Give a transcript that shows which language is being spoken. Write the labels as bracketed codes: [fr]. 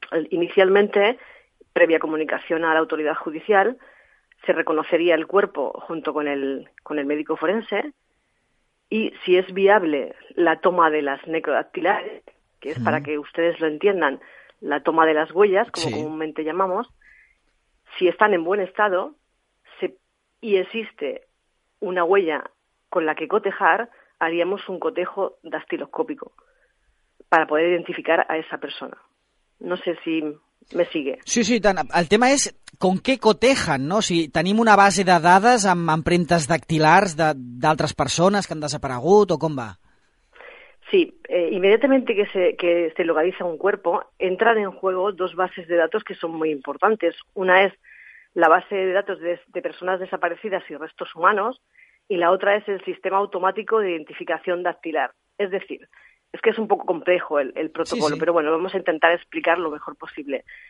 [es] Inicialmente, previa comunicación a la autoridad judicial, se reconocería el cuerpo junto con el médico forense, y si es viable la toma de las necrodactilares, que es para que ustedes lo entiendan, la toma de las huellas, como comúnmente llamamos, si están en buen estado y existe una huella con la que cotejar, haríamos un cotejo dactiloscópico para poder identificar a esa persona. No sé si me sigue. [ca] Sí, sí, el tema és con què cotejan, no? Si tenim una base de dades amb empremtes dactilars d'altres persones que han desaparegut o com va? [es] Sí, inmediatamente que se localiza un cuerpo, entran en juego 2 bases de datos que son muy importantes. Una es la base de datos de personas desaparecidas y restos humanos, y la otra es el sistema automático de identificación dactilar. Es decir, es que es un poco complejo el protocolo, sí. Pero bueno, vamos a intentar explicar lo mejor posible.